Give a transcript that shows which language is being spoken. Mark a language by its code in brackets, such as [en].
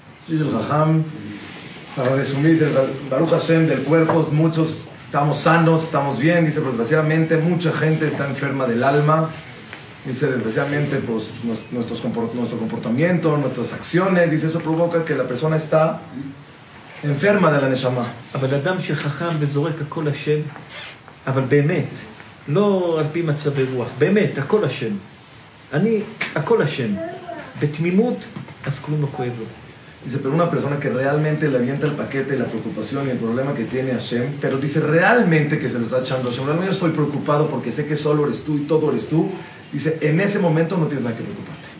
[es] Dice el Jajam, para resumir, dice, Baruch Hashem, del cuerpo, muchos estamos sanos, estamos bien, dice, pues desgraciadamente mucha gente está enferma del alma. Dice, desgraciadamente, pues nuestro comportamiento, nuestras acciones, dice, eso provoca que la persona está enferma de la neshama. [he] אבל אדם שחכם וזורק הכל השם, אבל באמת, לא על פי מצבי רוח, באמת, הכל השם. אני, הכל השם. בתמימות, אז כלום לא כואב לו. [es] Dice, pero una persona que realmente le avienta el paquete y la preocupación y el problema que tiene Hashem, pero dice realmente que se lo está echando Hashem, realmente yo estoy preocupado porque sé que solo eres tú y todo eres tú, dice, en ese momento no tienes nada que preocuparte.